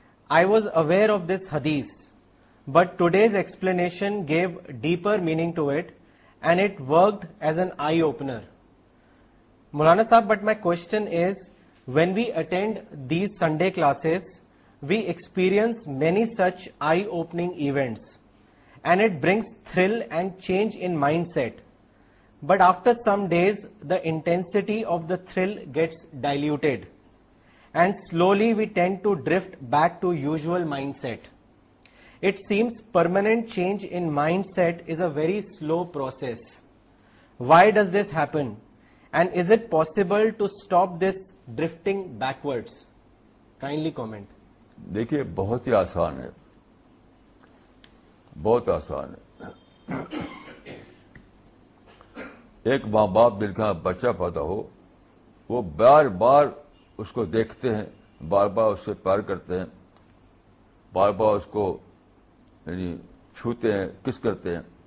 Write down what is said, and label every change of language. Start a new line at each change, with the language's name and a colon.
English: I was aware of this حدیث but today's explanation gave deeper meaning to it and it worked as an eye opener. مولانا صاحب but my question is, when we attend these Sunday classes we experience many such eye opening events and it brings thrill and change in mindset. But after some days, the intensity of the thrill gets diluted and slowly we tend to drift back to usual mindset. It seems permanent change in mindset is a very slow process. Why does this happen? And is it possible to stop this drifting backwards? Kindly comment.
Urdu: دیکھیے بہت ہی آسان ہے، بہت آسان ہے. ایک ماں باپ جن کا بچہ پیدا ہو، وہ بار بار اس کو دیکھتے ہیں، بار بار اس سے پیار کرتے ہیں، بار بار اس کو یعنی چھوتے ہیں، کس کرتے ہیں.